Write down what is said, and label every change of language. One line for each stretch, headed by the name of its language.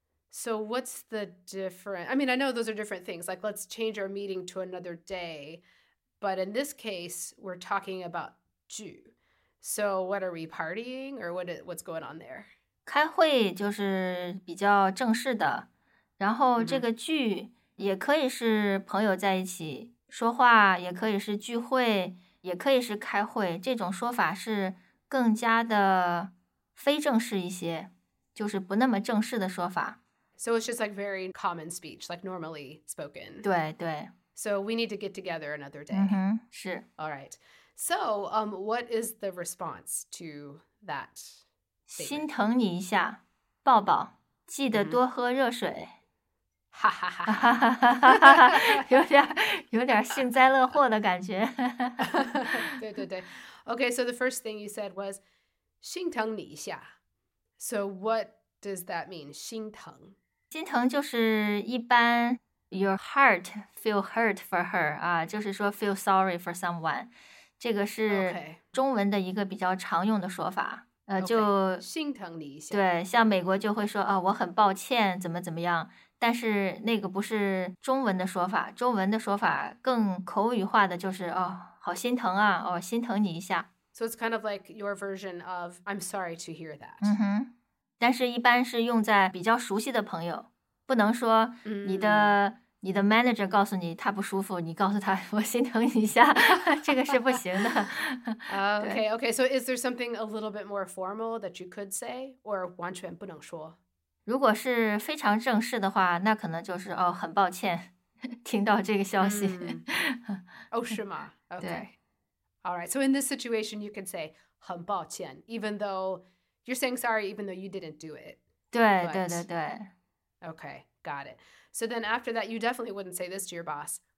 English: So what's the difference? I mean, I know those are different things. Like, let's change our meeting to another day. But in this case, we're talking about 聚。So what are we partying or what's going on there?
Chinese: 开会就是比较正式的，然后这个聚也可以是朋友在一起说话，也可以是聚会，也可以是开会，这种说法是更加的非正式一些，就是不那么正式的说法。
English: So it's just like very common speech, like normally spoken.
Chinese: 对对。
English: So we need to get together another day.
Chinese: 嗯哼，是。
English: All right. So, what is the response to that?
Chinese: 心疼你一下，抱抱，记得多喝热水。哈哈哈，有点幸灾乐祸的感觉。对对对。
English: Okay, so the first thing you said was,
Chinese: 心疼你一下。
English: So what does that mean, 心疼？
Chinese: 心疼就是一般
English: your heart feel hurt for her,
Chinese: 就是说
English: feel sorry for someone.
Chinese: 这个是中文的一个比较常用的说法、
English: okay.
Chinese: 就心疼你一下。对，像美国就会说啊，我很抱歉怎么怎么样，但是那个不是中文的说法，中文的说法更口语化的就是哦，好心疼啊，哦，心疼你一下。
English: So it's kind of like your version of I'm sorry to hear that.
Chinese: 嗯哼，但是一般是用在比较熟悉的朋友，不能说你的、你的 manager 告诉你他不舒服，你告诉他我心疼你一下，这个是不行的。
English: Okay, okay. So is there something a little bit more formal that you could say, or
Chinese: 完全不能说？如果是非常正式的话，那可能就是哦，很抱歉，听到这个消息。哦，是吗？
English: Okay. All right. So in this situation, you can say
Chinese: 很抱歉，
English: even though you're saying sorry, even though you didn't do it.
Chinese: 对对对对。
English: Okay, got it. So then after that, you definitely wouldn't say this to your boss.